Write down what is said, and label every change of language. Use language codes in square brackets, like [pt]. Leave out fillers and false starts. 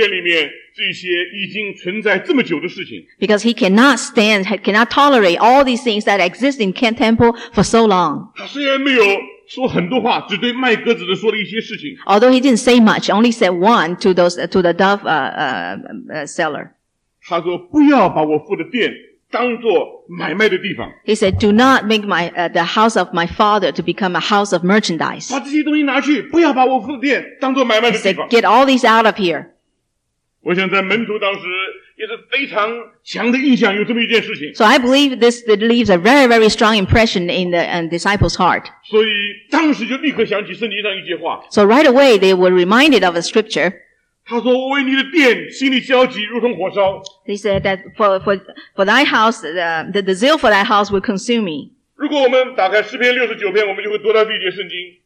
[zh] 容忍在圣殿里面这些已经存在这么久的事情。 [en] Because he cannot tolerate all these things that exist in Kent Temple for so long. [zh] 他虽然没有说很多话，只对卖鸽子的说了一些事情。 [en] Although he didn't say much, only said one to those to the dove seller. [zh] 他说不要把我父的殿当做买卖的地方。 [en] He said, "Do not make my the house of my father to become a house of merchandise." [zh] 把这些东西拿去，不要把我父的殿当做买卖的地方。 [en] He said, "Get all these out of here." [zh] 我想在门徒当时也是非常强的印象，有这么一件事情。 [en] So I believe this leaves a very very strong impression in the disciples' heart. [zh] 所以当时就立刻想起圣经上一句话。 [en] So right away they were reminded of a scripture. [zh] 他说：“我为你的殿心里焦急，如同火烧。” [en] He said that for thy house, the zeal for thy house will consume me. [zh] 如果我们打开诗篇69篇，我们就会读到这节圣经。